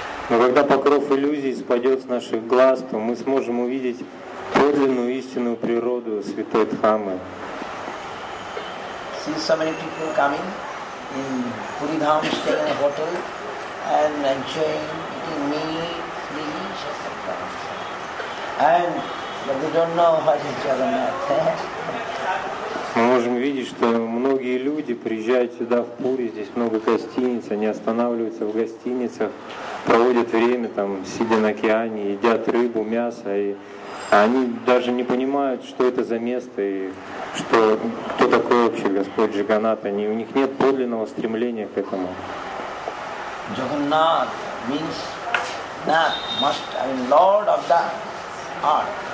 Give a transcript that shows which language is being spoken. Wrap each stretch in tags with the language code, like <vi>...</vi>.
<ru>Но когда покров иллюзий спадет с наших глаз, то мы сможем увидеть подлинную истинную природу святой Дхамы.</ru> <en>See so many people coming in Puri Dham, staying in a hotel and enjoying, eating meat, fish, etc. But they don't know what is Jagannath.</en> <ru>Мы можем видеть, что многие люди приезжают сюда в Пури, здесь много гостиниц, они останавливаются в гостиницах, проводят время там, сидя на океане, едят рыбу, мясо, и они даже не понимают, что это за место и что кто такой вообще Господь Джаганнат. У них нет подлинного стремления к этому.</ru> <en>Jagannath means Nath, must, Lord of the heart.</en>